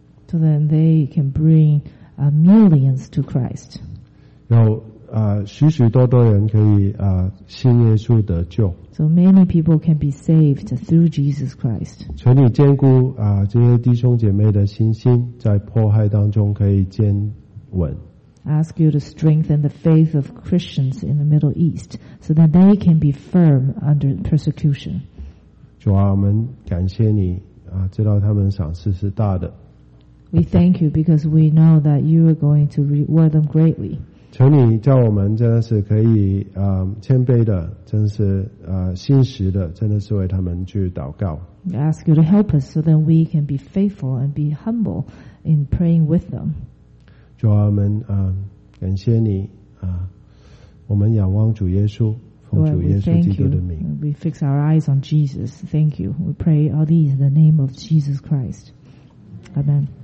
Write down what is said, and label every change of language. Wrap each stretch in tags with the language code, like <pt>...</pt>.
<en>So then they can bring millions to Christ.</en> <zh>有许许多多人可以信耶稣得救。</zh> <en>So many people can be saved through Jesus Christ.</en> <zh>求你坚固这些弟兄姐妹的信心，在迫害当中可以坚稳。</zh> <en>Ask you to strengthen the faith of Christians in the Middle East so that they can be firm under persecution.</en> <zh>主啊，我们感谢你。知道他们的赏赐是大的。</zh> <en>We thank you because we know that you are going to reward them greatly.</en> <zh>求你叫我们真的是可以谦卑的，真的是信实的，真的是为他们去祷告。</zh> <en>We ask you to help us so that we can be faithful and be humble in praying with them.</en> <zh>主啊，我们感谢你我们仰望主耶稣。</zh> <en>We fix our eyes on Jesus. Thank you. We pray all these in the name of Jesus Christ. Amen.</en>